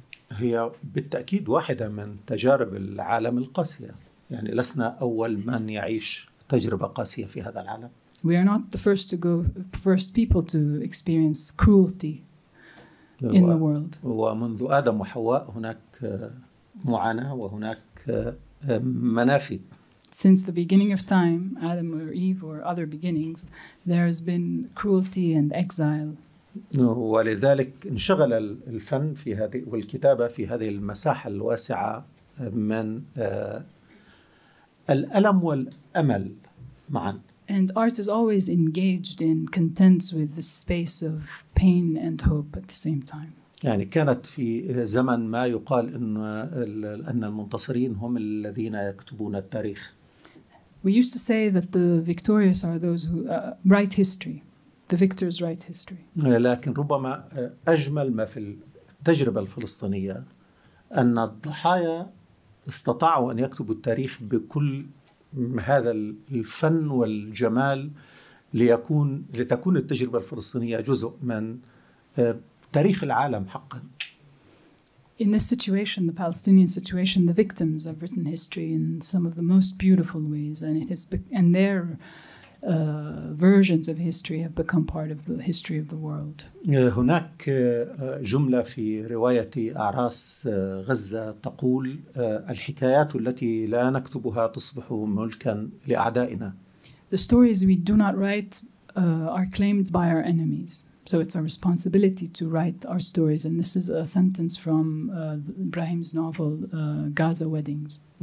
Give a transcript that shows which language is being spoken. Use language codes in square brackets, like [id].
[ar] هي بالتأكيد واحدة من تجارب العالم القاسية يعني لسنا أول من يعيش تجربة قاسية في هذا العالم [en] We are not the first to go first people to experience cruelty in the world [ar] ومنذ آدم وحواء هناك معاناة وهناك منافي [en] Since the beginning of time, Adam or Eve or other beginnings, there has been cruelty and exile. [ar] ولذلك انشغل الفن في هذه والكتابة في هذه المساحة الواسعة من الألم والأمل معا. [en] And art is always engaged in contents with the space of pain and hope at the same time. [ar] يعني كانت في زمن ما يقال أن المنتصرين هم الذين يكتبون التاريخ. [en] We used to say that the victorious are those who write history. The victors write history. [ar] لكن ربما أجمل ما في التجربة الفلسطينية أن الضحايا استطاعوا أن يكتبوا التاريخ بكل هذا الفن والجمال ليكون لتكون التجربة الفلسطينية جزء من تاريخ العالم حقا. [en] In this situation, the Palestinian situation, the victims have written history in some of the most beautiful ways, and it has and their versions of history have become part of the history of the world. [ar] هناك جملة في رواية أعراس غزة تقول الحكايات التي لا نكتبها تصبح ملكا لأعدائنا. [en] The stories we do not write are claimed by our enemies. So it's our responsibility to write our stories. And this is a sentence from Ibrahim's novel, Gaza Weddings.